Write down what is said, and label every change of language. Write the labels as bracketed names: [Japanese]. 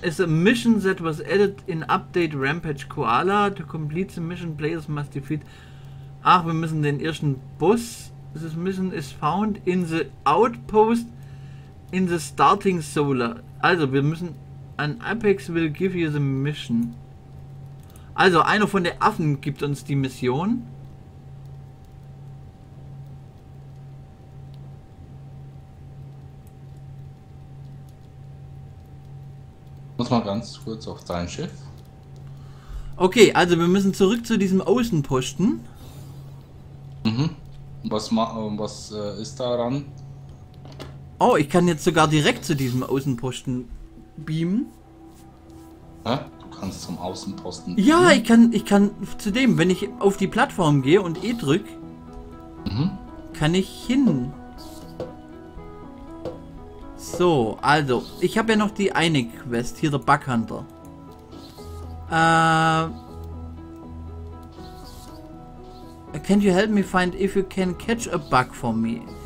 [English] is a mission that was added in Update Rampage Koala. To complete the mission, players must defeat. [German] Ach, wir müssen den ersten Boss. [English] This mission is found in the outpost in the starting solar. [German] Also, wir müssen. [English] An Apex will give you the mission. [German] Also, einer von den Affen gibt uns die Mission. Muss mal ganz kurz auf dein Schiff. Okay, also wir müssen zurück zu diesem Außenposten. Was ist daran? Oh, ich kann jetzt sogar direkt zu diesem Außenposten beamen. Hä? Du kannst zum Außenposten Ja, beamen? ich kann zu dem, wenn ich auf die Plattform gehe und E drück, kann ich hin. So, also, ich habe ja noch die eine Quest, hier der Bughunter. [English] Can you help me find if you can catch a bug for me?